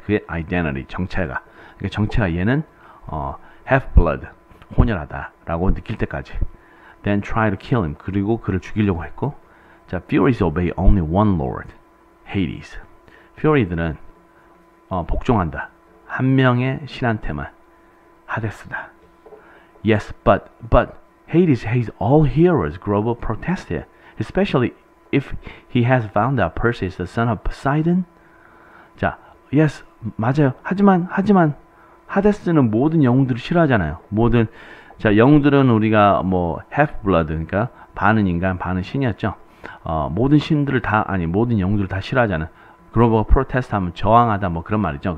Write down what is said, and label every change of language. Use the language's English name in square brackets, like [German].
[Korean] 그게 identity, 정체가. 그러니까 정체가 얘는 half blood, 혼혈하다 라고 느낄 때까지. [English] Then try to kill him. [Korean] 그리고 그를 죽이려고 했고. 자, [English] Furies obey only one lord, Hades. [Korean] Fury들은 복종한다. 한 명의 신한테만 하데스다. [English] Yes, but Hades all heroes, Grover protested, especially if he has found that Perseus is the son of Poseidon. [Korean] 자, [English] yes, [Korean] 맞아요. 하지만 하데스는 모든 영웅들을 싫어하잖아요. 모든 자 영웅들은 우리가 뭐 half blood 그러니까 반은 인간 반은 신이었죠. 모든 신들을 다 아니 모든 영웅들을 다 싫어하잖아요. 그로버가 프로테스트 하면 저항하다 뭐 그런 말이죠.